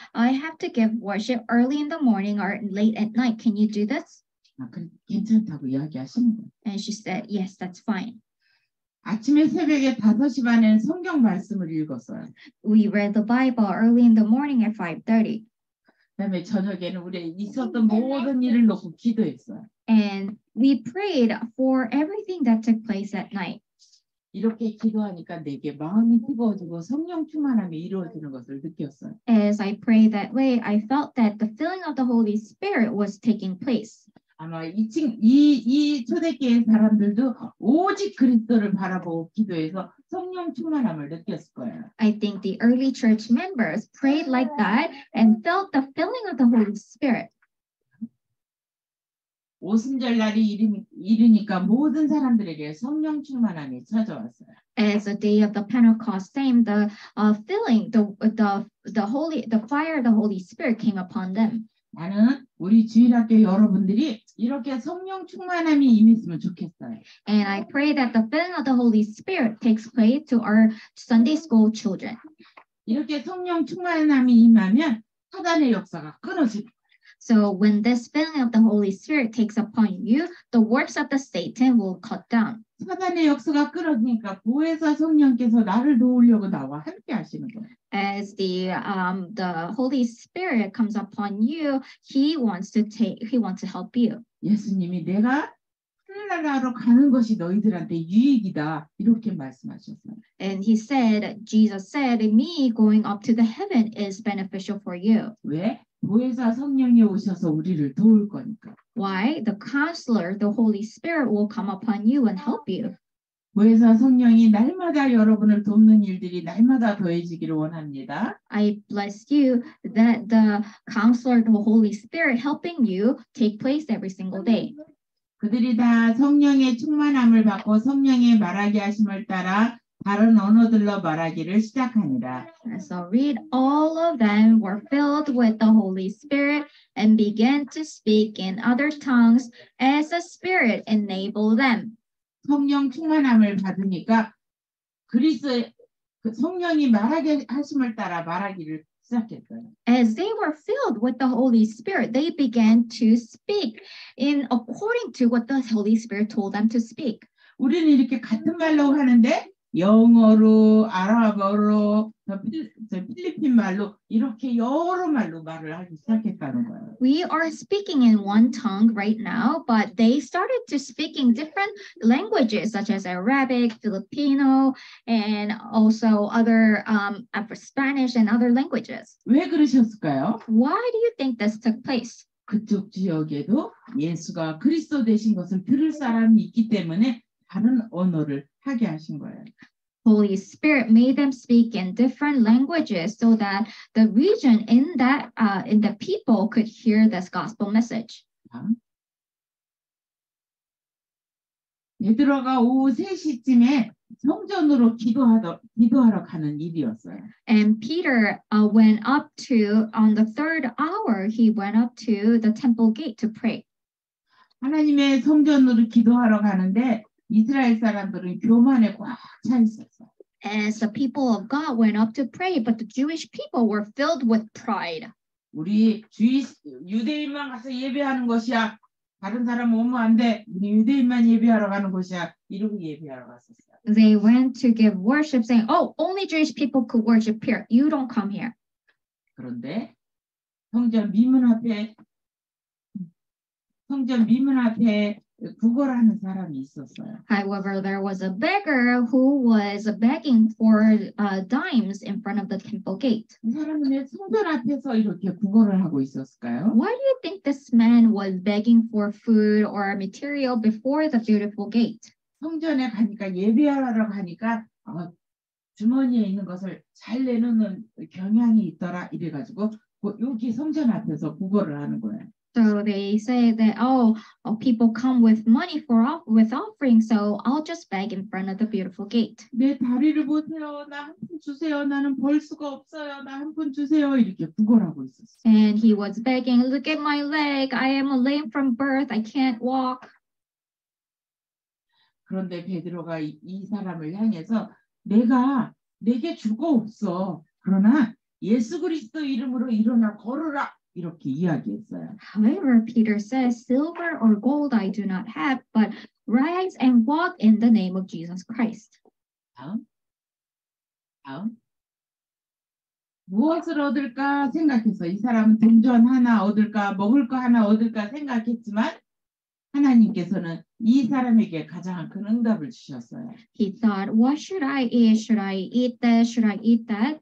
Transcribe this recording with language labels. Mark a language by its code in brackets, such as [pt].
[en] I have to give worship early in the morning or late at night. Can you do this? [ko] 아, 그래, 괜찮다고 이야기하시는 거. [en] And she said, yes, that's fine. [ko] 아침에 새벽에 5시 반에는 성경 말씀을 읽었어요. [en] We read the Bible early in the morning at 5:30. [ko] 그다음에 저녁에는 우리 있었던 모든 일을 놓고 기도했어요. [en] And we prayed for everything that took place at night. [ko] 이렇게 기도하니까 내게 마음이 뜨거워지고 성령 충만함이 이루어지는 것을 느꼈어요. [en] As I prayed that way, I felt that the filling of the Holy Spirit was taking place. [ko] 아마 이 초대교회 사람들도 오직 그리스도를 바라보고 기도해서 성령 충만함을 느꼈을 거예요. [en] I think the early church members prayed like that and felt the filling of the Holy Spirit. [ko] 오순절 날이 이르니까 모든 사람들에게 성령 충만함이 찾아왔어요. [en] As the day of the Pentecost came, the fire of the Holy Spirit came upon them. [ko] 나는 우리 주일학교 여러분들이 이렇게 성령 충만함이 임했으면 좋겠어요. [en] And I pray that the filling of the Holy Spirit takes place to our Sunday school children. [ko] 이렇게 성령 충만함이 임하면 사단의 역사가 끊어집니다. [en] So when this filling of the Holy Spirit takes upon you, the works of the Satan will cut down. [ko] 사단의 역사가 끊어지니까 보혜사 성령께서 나를 도우려고 나와 함께 하시는 거예요. [en] As the Holy Spirit comes upon you, he wants to help you. [ko] 예수님이 내가 하늘나라로 가는 것이 너희들한테 유익이다 이렇게 말씀하셨어요. [en] And he said, Jesus said, me going up to the heaven is beneficial for you. [ko] 왜? 보혜사 성령이 오셔서 우리를 도울 거니까. [en] Why? The counselor, the Holy Spirit will come upon you and help you. [ko] 보혜사 성령이 날마다 여러분을 돕는 일들이 날마다 더해지기를 원합니다. [en] I bless you that the counselor, the Holy Spirit helping you take place every single day. [ko] 그들이 다 성령의 충만함을 받고 성령의 말하게 하심을 따라 다른 언어들로 말하기를 시작합니다. [en] So read all of them were filled with the Holy Spirit and began to speak in other tongues as the Spirit enabled them. [ko] 성령 충만함을 받으니까 성령이 말하게 하심을 따라 말하기를 시작했어요. [en] As they were filled with the Holy Spirit, they began to speak in according to what the Holy Spirit told them to speak. [ko] 우리는 이렇게 같은 말로 하는데 영어로, 아랍어로, 저 필리핀 말로 이렇게 여러 말로 말을 하기 시작했다는 거예요. [en] We are speaking in one tongue right now, but they started to speak in different languages such as Arabic, Filipino, and also other Spanish and other languages. [ko] 왜 그러셨을까요? [en] Why do you think this took place? [ko] 그쪽 지역에도 예수가 그리스도 되신 것을 들을 사람이 있기 때문에 다른 언어를 하게 하신 거예요. [en] Holy Spirit made them speak in different languages so that the region in that in the people could hear this gospel message. [ko] 예드로가 오후 3시쯤에 성전으로 기도하러 가는 일이었어요. [en] And Peter went up to on the third hour he went up to the temple gate to pray. [ko] 하나님의 성전으로 기도하러 가는데 이스라엘 사람들은 교만에 꽉 차 있었어요. [en] As the people of God went up to pray, but the Jewish people were filled with pride. [ko] 우리 유대인만 가서 예배하는 것이야. 다른 사람 오면 안 돼. 우리 유대인만 예배하러 가는 것이야. 이러고 예배하러 갔었어요. [en] They went to give worship saying, oh, only Jewish people could worship here. You don't come here. [ko] 그런데 성전 미문 앞에 구걸하는 사람이 있었어요. [en] However, there was a beggar who was begging for dimes in front of the temple gate. [ko] 이 사람은 왜 성전 앞에서 이렇게 구걸을 하고 있었을까요? [en] Why do you think this man was begging for food or material before the beautiful gate? [ko] 성전에 가니까 예배하러 가니까 주머니에 있는 것을 잘 내놓는 경향이 있더라 이래 가지고 여기 성전 앞에서 구걸을 하는 거예요. [en] So they say that, oh, people come with money for with offering, so I'll just beg in front of the beautiful gate. [ko] 내 다리를 보세요. 나 한 푼 주세요. 나는 벌 수가 없어요. 나 한 푼 주세요. 이렇게 구걸하고 있었어요. [en] And he was begging, look at my leg. I am lame from birth. I can't walk. [ko] 그런데 베드로가 이 사람을 향해서 내게 주고 없어. 그러나 예수 그리스도 이름으로 일어나 걸으라. 이렇게 이야기했어요. [en] However, Peter says, silver or gold I do not have, but rise and walk in the name of Jesus Christ. [ko] 다음. 무엇을 얻을까 생각했어요. 이 사람은 동전 하나 얻을까, 먹을 거 하나 얻을까 생각했지만 하나님께서는 이 사람에게 가장 큰 응답을 주셨어요. [en] He thought, what should I eat? Should I eat this? Should I eat that?